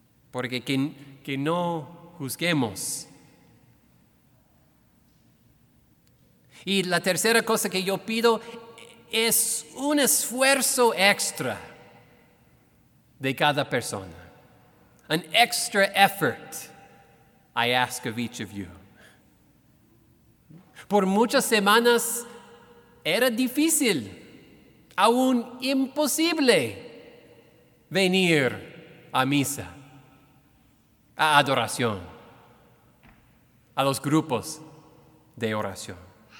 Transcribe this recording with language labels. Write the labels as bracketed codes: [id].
[es] Porque que no juzguemos. Y la tercera cosa que yo pido es un esfuerzo extra de cada persona. [en] An extra effort, I ask of each of you. [es] Por muchas semanas era difícil, aún imposible venir a misa, a adoración, a los grupos de oración.